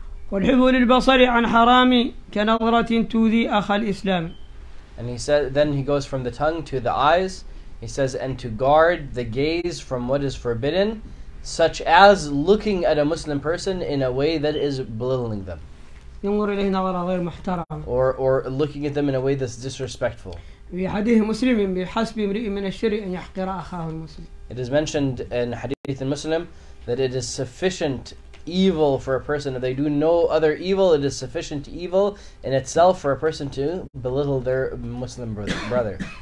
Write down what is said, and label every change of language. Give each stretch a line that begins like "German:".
Arabic: والحفظ للبصر عن حرام كنظرة تؤذي أخ الإسلام.
English: And he said, then he goes from the tongue to the eyes. He says, and to guard the gaze from what is forbidden, such as looking at a Muslim person in a way that is belittling them.
Arabic: ينظر إليه نظرة غير محترمة.
English: Or looking at them in a way that's disrespectful.
Arabic: في حديث مسلم بحسب امرئ من الشر أن يحقر أخاه المسلم.
English: It is mentioned in Hadith in Muslim that it is sufficient evil for a person, if they do no other evil, it is sufficient evil in itself for a person to belittle their Muslim brother.